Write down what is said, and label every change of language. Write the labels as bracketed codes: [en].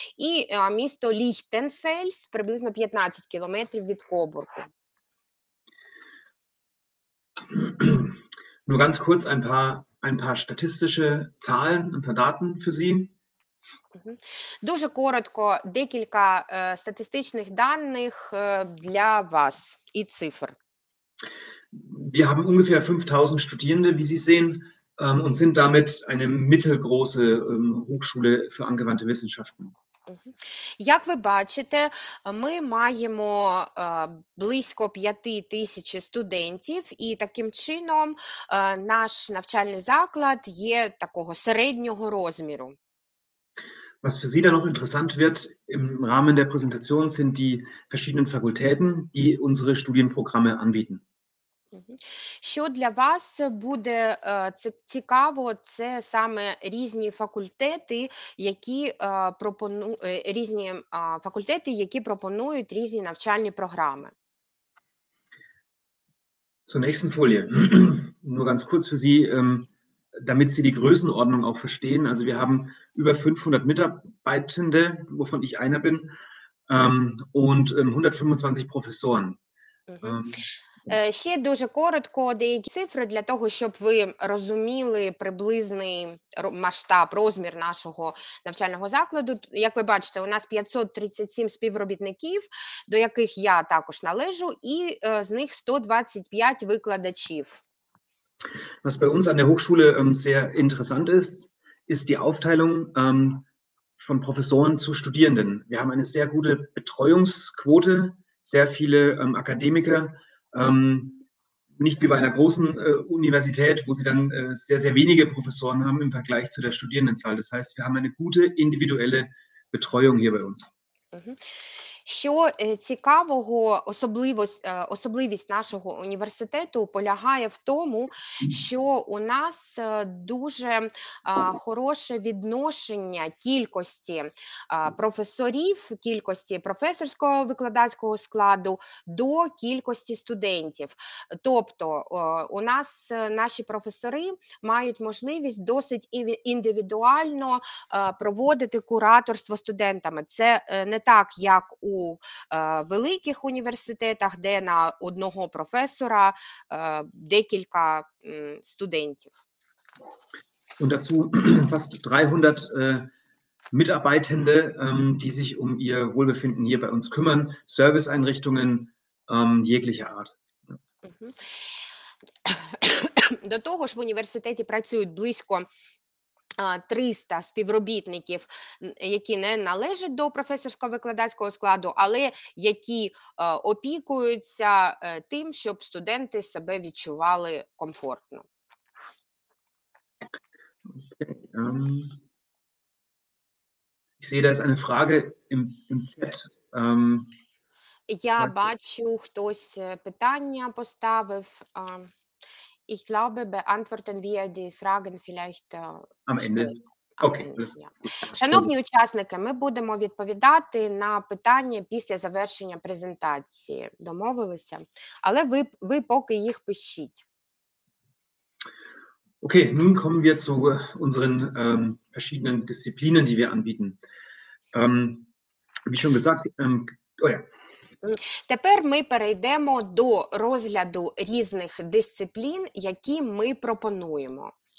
[uk] І місто Ліхтенфельс, приблизно 15 кілометрів від Кобургу. [de] Nur ganz kurz ein paar statistische Zahlen, ein paar Daten für Sie. [uk] Дуже коротко, декілька статистичних даних для вас і цифр. [de] Wir haben ungefähr 5000 Studierende, wie Sie sehen, und sind damit eine mittelgroße Hochschule für angewandte Wissenschaften. [uk] Як ви бачите, ми маємо близько 5000 студентів, і таким чином наш навчальний заклад є такого середнього розміру. [de] Was für Sie da noch interessant wird im Rahmen der Präsentation sind die verschiedenen Fakultäten, die unsere Studienprogramme anbieten. [uk] Що для вас буде цікаво, це саме різні факультети, які пропонують різні навчальні програми. [de] Zur nächsten Folie. Nur ganz kurz für Sie, damit Sie die Größenordnung auch verstehen. Also wir haben über 500 Mitarbeitende, wovon ich einer bin, und 125 Professoren. [uk] Ще дуже коротко деякі цифри для того, щоб ви розуміли приблизний масштаб, розмір нашого навчального закладу. Як ви бачите, у нас 537 співробітників, до яких я також належу, і з них 125 викладачів. [de] Was bei uns an der Hochschule sehr interessant ist, ist die Aufteilung von Professoren zu Studierenden. Wir haben eine sehr gute Betreuungsquote, sehr viele Akademiker, nicht wie bei einer großen Universität, wo sie dann sehr, sehr wenige Professoren haben im Vergleich zu der Studierendenzahl. Das heißt, wir haben eine gute individuelle Betreuung hier bei uns. [uk] Що цікавого, особливість нашого університету полягає в тому, що у нас дуже хороше відношення кількості професорів, кількості професорського викладацького складу до кількості студентів. Тобто у нас наші професори мають можливість досить індивідуально проводити кураторство студентами. Це не так, як у великих університетах, де на одного професора декілька студентів. [de] Und dazu fast 300 Mitarbeitende, die sich um ihr Wohlbefinden hier bei uns kümmern, Serviceeinrichtungen jeglicher Art. [uk] До того ж, в університеті працюють близько 300 співробітників, які не належать до професорсько-викладацького складу, але які опікуються тим, щоб студенти себе відчували комфортно. [de] Ich sehe, da ist eine Frage im Chat. [uk] Я бачу, хтось питання поставив. [de] Ich glaube, beantworten wir die Fragen vielleicht am Ende. Okay. [uk] Шановні учасники, ми будемо відповідати на питання після завершення презентації. Домовилися? Але ви поки їх пишіть. [de] Okay, nun kommen wir zu unseren verschiedenen Disziplinen, die wir anbieten. Wie schon gesagt, [uk] Тепер ми перейдемо до розгляду різних дисциплін, які ми пропонуємо.